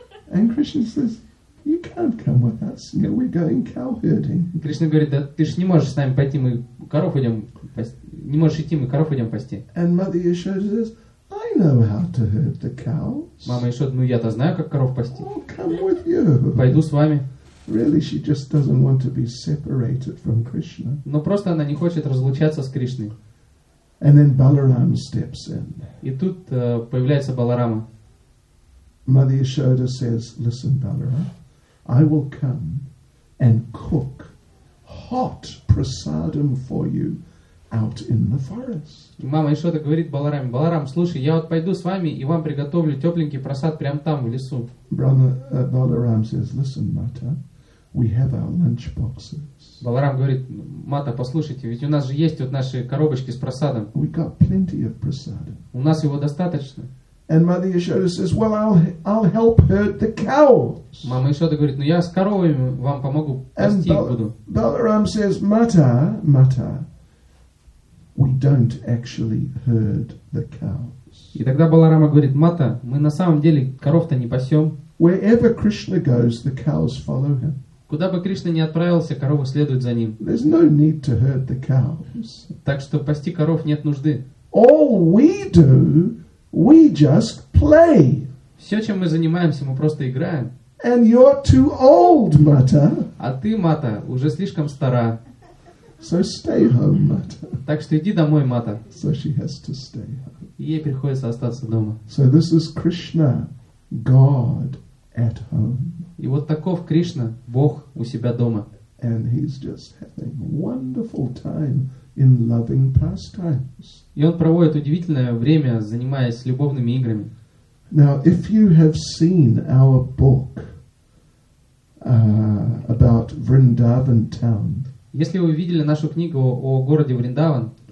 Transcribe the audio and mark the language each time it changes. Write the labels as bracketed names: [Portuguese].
[English] And Krishna says, "You can't come with us. No, we're going cow herding." [Russian] Кришна говорит, да, ты ж не можешь с нами пойти, мы коров идем пасти. Не можешь идти, мы коров идем пасти. [English] And Mother Yashoda says, "I know how to herd the cows." [Russian] Мама Ишода, ну я-то знаю, как коров пасти. [English] I'll come with you. [Russian] Пойду с вами. [English] Really, she just doesn't want to be separated from Krishna. [Russian] Но просто она не хочет разлучаться с Кришной. [English] And then Balaram steps in. [Russian] И тут появляется Баларама. [English] Mother Yashoda says, "Listen, Balaram, I will come and cook hot prasadam for you out in the forest." [Russian] Мама Ишода говорит Балараме: "Баларам, слушай, я вот пойду с вами и вам приготовлю тепленький просад прямо там в лесу." [English] Balaram says, "Listen, Mata, we have our lunch boxes." [Russian] Баларам говорит: "Мата, послушайте, ведь у нас же есть вот наши коробочки с просадом." [English] We got plenty of prasadam. [Russian] У нас его достаточно. [English] And Mother Yashoda says, "Well, I'll help herd the cows." [Russian] Мама Ишода говорит: "Ну я с коровами вам помогу пасти их буду." [English] Balaram says, "Mata, we don't actually herd the cows." [Russian] И тогда Баларама говорит: "Мата, мы на самом деле коров-то не пасем." [English] Wherever Krishna goes, the cows follow him. [Russian] Куда бы Кришна ни отправился, коровы следуют за ним. [English] There's no need to herd the cows. [Russian] Так что пасти коров нет нужды. [English] All we do. We just play. [Russian] Все, чем мы занимаемся, мы просто играем. [English] And you're too old, Mata. [Russian] А ты, Мата, уже слишком стара. [English] So stay home, Mata. [Russian] Так что иди домой, Мата. [English] So she has to stay home. [Russian] Ей приходится остаться дома. [English] So this is Krishna, God at home. [Russian] И вот таков Кришна, Бог у себя дома. [English] And he's just having a wonderful time in loving pastimes. [Russian] И он проводит удивительное время, занимаясь любовными играми. [English] Now, if you have seen our book about Vrindavan town. [Russian] Если вы видели нашу книгу о городе Вриндаван.